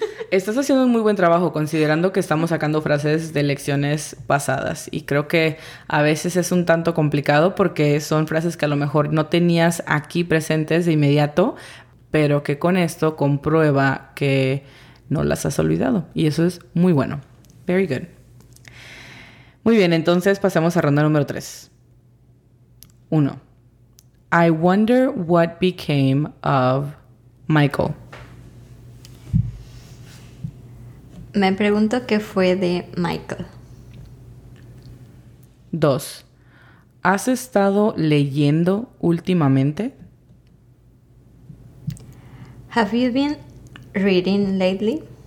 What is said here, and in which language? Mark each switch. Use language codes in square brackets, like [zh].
[es] Estás haciendo un muy buen trabajo considerando que estamos sacando frases de lecciones pasadas y creo que a veces es un tanto complicado porque son frases que a lo mejor no tenías aquí presentes de inmediato, pero que con esto comprueba que no las has olvidado y eso es muy bueno. [en] Very good. [es] Muy bien, entonces pasamos a ronda número 3. 1. [en] I wonder what became of Michael. [es] Me pregunto qué fue de Michael. 2. ¿Has estado leyendo últimamente? [en] Have you been reading lately?